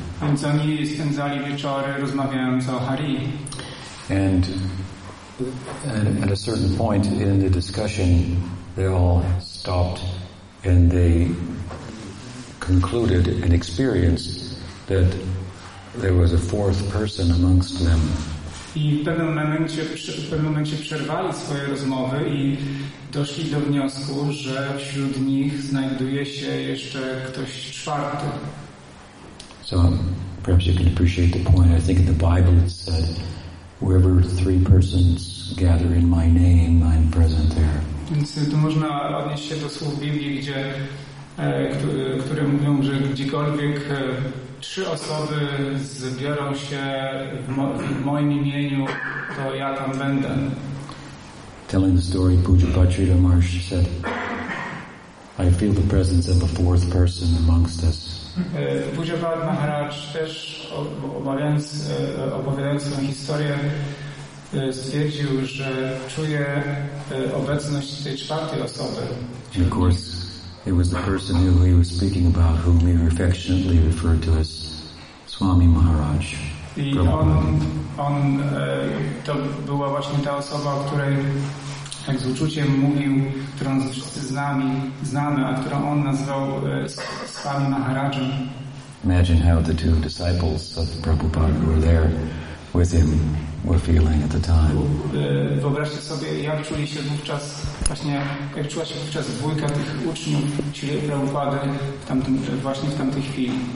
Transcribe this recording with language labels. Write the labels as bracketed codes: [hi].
[pl] Więc oni spędzali wieczory rozmawiając o Hari. [en] And at a certain point in the discussion, they all stopped and they concluded an experience that there was a fourth person amongst them. [pl] I w pewnym momencie, przerwali swoje rozmowy i doszli do wniosku, że wśród nich znajduje się jeszcze ktoś czwarty. [en] So perhaps you can appreciate the point. I think in the Bible it said, wherever three persons gather in my name, I'm present there. [pl] Więc tu można odnieść się do słów Biblii, gdzie, które mówią, że gdziekolwiek trzy osoby zbiorą się w moim imieniu, to ja tam będę. [en] Telling the story, Puja Bhatrita Marsh said, I feel the presence of a fourth person amongst us. [pl] Puja Bhat Maharaj też opowiadając swoją historię stwierdził, że czuje obecność tej czwartej osoby. [en] And of course, it was the person who he was speaking about whom he affectionately referred to as Swami Maharaj. [pl] I on to była właśnie ta osoba, o której jak z uczuciem mówił, którą wszyscy znamy, a którą on nazwał Swami Maharajem. [en] Imagine how the two disciples of Prabhupada who were there with him were feeling at the time. [pl] Wyobraźcie sobie, jak czuli się wówczas, właśnie jak czuła się wówczas dwójka tych uczniów, czyli Prabhupada właśnie w tamtej chwili.